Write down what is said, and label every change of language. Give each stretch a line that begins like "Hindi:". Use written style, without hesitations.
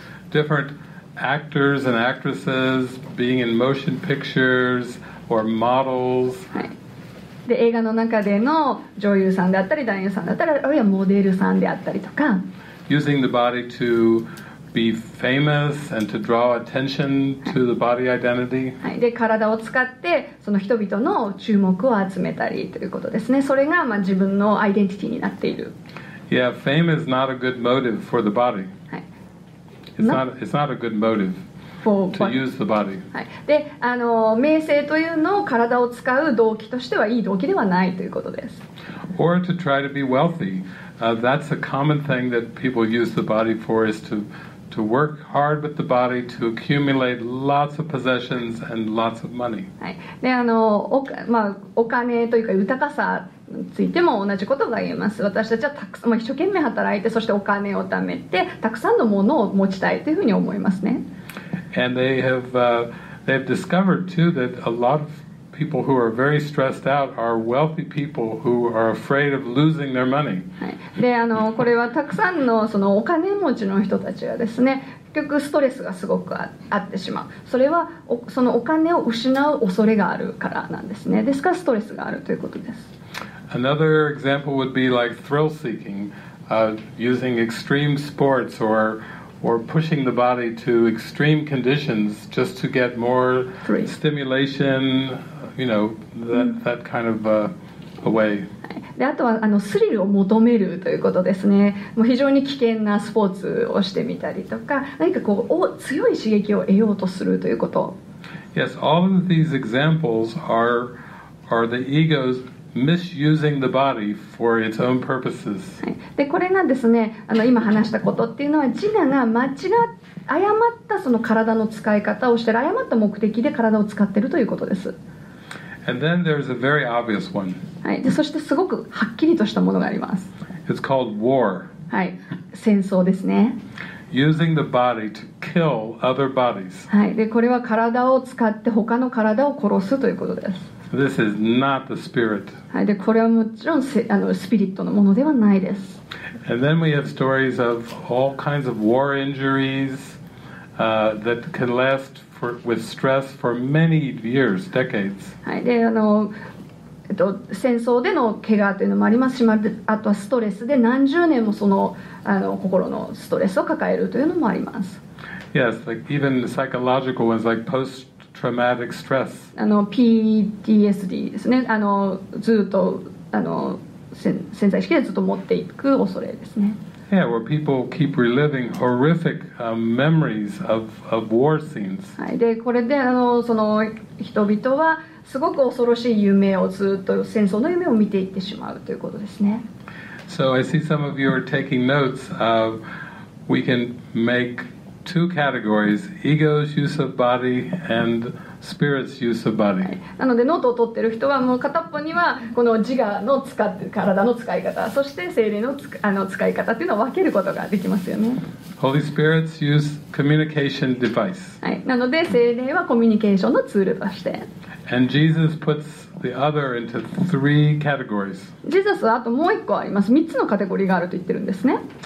English: Different actors and actresses being in motion pictures or models、
Japanese: はい、で映画の中での女優さんであったり男優さんであったりあるいはモデルさんであったりとか
English: using the body to be famous and to draw attention to the body identity、
Japanese: はい、で体を使ってその人々の注目を集めたりということですね。それがまあ自分のアイデンティティになっている。
English: Yeah, fame is not a good motive for the body、
Japanese: はい、
English: it's not a good motive for to use the body、
Japanese: はい、であの名声というのを体を使う動機としてはいい動機ではないということです。
English: Or to try to be wealthy、that's a common thing that people use the body for is to work hard with the body to accumulate lots of possessions and lots of money.
Japanese: はい。で、あの、まあ、お金というか豊かさについても同じことが言えます。私たちはたくさん、まあ、一生懸命働いて、そしてお金を貯めて、たくさんのものを持ちたいというふうに思いますね。
English: And they have discovered too that a lot of people who are very stressed out are wealthy people who are afraid of losing their money.
Japanese: であのこれはたくさんのそのお金持ちの人たちがですね、結局ストレスがすごくあってしまう。それはそのお金を失う恐れがあるからなんですね。ですからストレスがあるということです。
English: Another example would be like thrill seeking, using extreme sports or pushing the body to extreme conditions just to get more stimulation, you know, that kind of a way.
Japanese: であとはあのスリルを求めるということですね。もう非常に危険なスポーツをしてみたりとか、何かこうお強い刺激を得ようとするということ。
English: Yes, all of these examples are the ego'sMisusing the body for its own purposes.
Japanese: でこれがですね、あの今話したことっていうのは自我が間違っ誤ったその体の使い方をして誤った目的で体を使ってるということです。
English: And then there's a very obvious one.
Japanese: はい、でそしてすごくはっきりとしたものがあります。
English: It's called war.
Japanese: はい、戦争ですね。
English: Using the body to kill other bodies.
Japanese: はい、でこれは体を使って他の体を殺すということです。
English: This is not the spirit.
Japanese: はい、でこれはもちろんあのスピリットのものではないです。
English: And then we have stories of all kinds of war injuries, that can last for, with stress for many years, decades.
Japanese: はい、であの、戦争での怪我というのもありますし、あとはストレスで何十年もその、あの、心のストレスを抱えるというのもあります。
English: Yes, like even the psychological ones, like post-traumatic stress.
Japanese: あの PTSD ですね。あのずっとあの潜在意識でずっと持っていく恐れですね。
English: Yeah, where people keep reliving horrific memories of war scenes.
Japanese: はい、でこれであのその人々はすごく恐ろしい夢をずっと戦争の夢を見ていってしまうということですね。
English: So I see some of you are taking notes. We can make two categories, ego's use of body and spirit's use of body.
Japanese: なのでノートを取ってる人はもう片っぽにはこの自我の使って体の使い方、そして精霊のつあの使い方っていうのを分けることができますよね。
English: Holy Spirit's use communication device.
Japanese: はい、なので精霊はコミュニケーションのツールとして。
English: And Jesus puts the other into three categories.
Japanese: ジーザスはあともう一個あります。三つのカテゴリーがあると言ってるんですね。